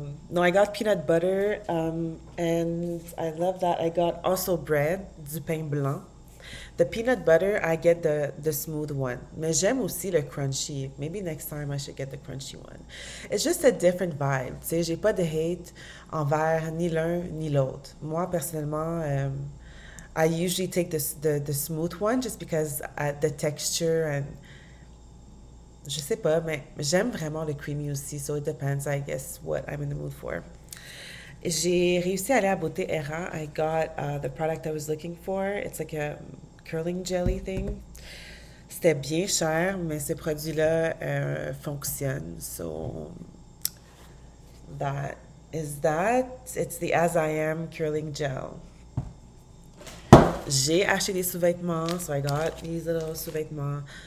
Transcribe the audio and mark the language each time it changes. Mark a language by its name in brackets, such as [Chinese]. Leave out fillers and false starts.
[English] No, I got peanut butter and I love that. I got also bread, [French] du pain blanc. [English] The peanut butter, I get the smooth one. [French] Mais j'aime aussi le crunchy. [English] Maybe next time I should get the crunchy one. It's just a different vibe. [French] Tu sais, j'ai pas de hate envers ni l'un ni l'autre. Moi, personnellement, [English] I usually take the smooth one just because the texture and [French] je sais pas, mais j'aime vraiment le creamy aussi. [English] So it depends, I guess, what I'm in the mood for. [French] J'ai réussi à aller à Beauté Errant. [English] I got the product I was looking for. It's like a curling jelly thing. [French] C'était bien cher, mais ce produit-là fonctionne. [English] So that is that. It's the As I Am curling gel. [French] J'ai acheté des sous-vêtements, [English] so I got these little sous-vêtements.